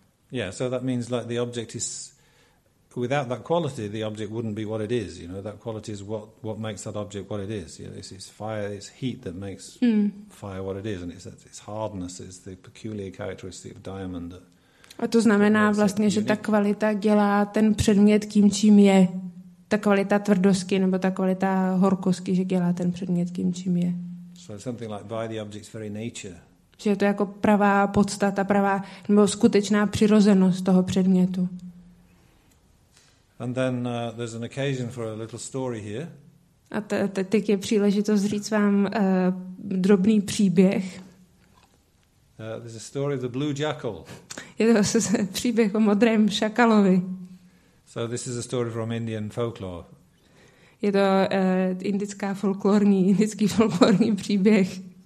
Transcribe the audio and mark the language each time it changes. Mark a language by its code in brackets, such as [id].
[en] Yeah, so that means like the object is, without that quality, the object wouldn't be what it is. You know, that quality is what makes that object what it is. You know, it's fire, it's heat that makes fire what it is, and it's hardness, it's the peculiar characteristic of diamond that. [cs] A to znamená vlastně, že ta kvalita dělá ten předmět tím, čím je. Ta kvalita tvrdosti nebo ta kvalita horkosti, že dělá ten předmět tím, čím je. [en] So something like by the object's very nature. [cs] Že je to jako pravá podstata, pravá nebo skutečná přirozenost toho předmětu. [en] And then there's an occasion for a little story here. [cs] A teď je příležitost říct vám drobný příběh. [en] There's a story of the blue jackal. [cs] Je to příběh o modrém šakalovi. [en] So this is a story from Indian folklore. [cs] Je to indický folklorní příběh.